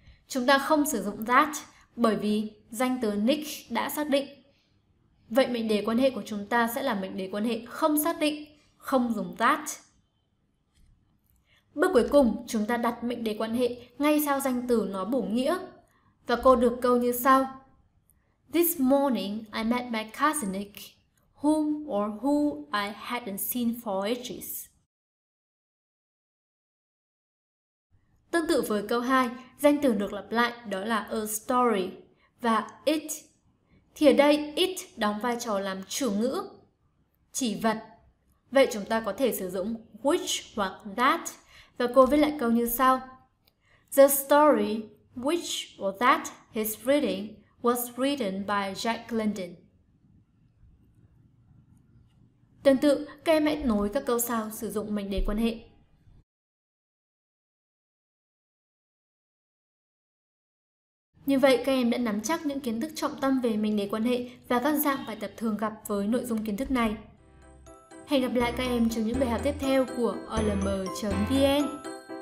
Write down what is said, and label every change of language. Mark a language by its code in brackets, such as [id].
[vi] Chúng ta không sử dụng that bởi vì danh từ Nick đã xác định. Vậy, mệnh đề quan hệ của chúng ta sẽ là mệnh đề quan hệ không xác định, không dùng that. Bước cuối cùng, chúng ta đặt mệnh đề quan hệ ngay sau danh từ nó bổ nghĩa. Và cô được câu như sau. [en] This morning I met my cousin Nick, whom or who I hadn't seen for ages. [vi] Tương tự với câu 2, danh từ được lặp lại đó là a story và it. Thì ở đây it đóng vai trò làm chủ ngữ, chỉ vật. Vậy chúng ta có thể sử dụng which hoặc that. Và cô viết lại câu như sau. [en] The story which or that he's reading was written by Jack London. [vi] Tương tự, các em hãy nối các câu sau sử dụng mệnh đề quan hệ. Như vậy, các em đã nắm chắc những kiến thức trọng tâm về mệnh đề quan hệ và các dạng bài tập thường gặp với nội dung kiến thức này. Hẹn gặp lại các em trong những bài học tiếp theo của olm.vn.